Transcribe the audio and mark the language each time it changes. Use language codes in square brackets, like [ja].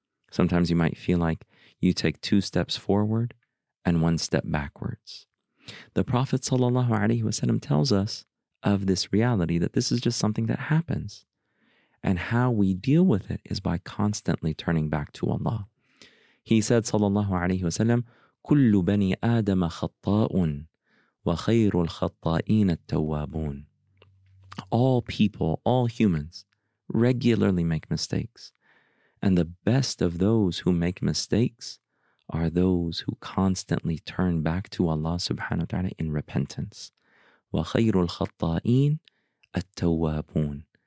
[en] Sometimes you might feel like you take two steps forward and one step backwards. The Prophet sallallahu alaihi wasallam tells us of this reality, that this is just something that happens. And how we deal with it is by constantly turning back to Allah. He said, [ar] sallallahu alayhi wa sallam, كُلُّ بَنِي آدَمَ خَطَّاءٌ وَخَيْرُ الْخَطَّائِينَ التَّوَّابُونَ. [en] All people, all humans, regularly make mistakes. And the best of those who make mistakes are those who constantly turn back to Allah subhanahu wa ta'ala in repentance. [ar] وَخَيْرُ الْخَطَّائِينَ التَّوَّابُونَ.